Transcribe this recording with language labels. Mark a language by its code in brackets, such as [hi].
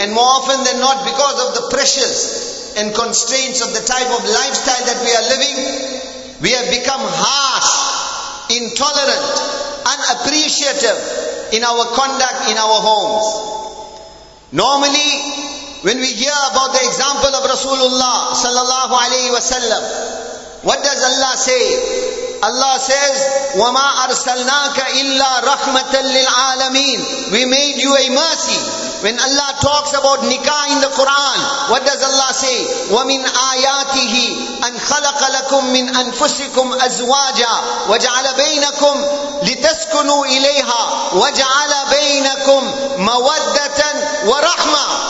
[en] And more often than not, because of the pressures and constraints of the type of lifestyle that we are living, we have become harsh, intolerant, unappreciative in our conduct in our homes. Normally, when we hear about the example of Rasulullah sallallahu alayhi wa sallam, what does Allah say? Allah says, [ar] وَمَا أَرْسَلْنَاكَ إِلَّا رَحْمَةً لِلْعَالَمِينَ. [en] We made you a mercy. When Allah talks about nikah in the Quran, what does Allah say? [ar] وَمِنْ آيَاتِهِ أَنْ خَلَقَ لَكُمْ مِنْ أَنفُسِكُمْ أَزْوَاجًا وَجَعَلَ بَيْنَكُمْ لِتَسْكُنُوا إِلَيْهَا وَجَعَلَ بَيْنَكُمْ مَوَدَّةً وَرَحْمَةً.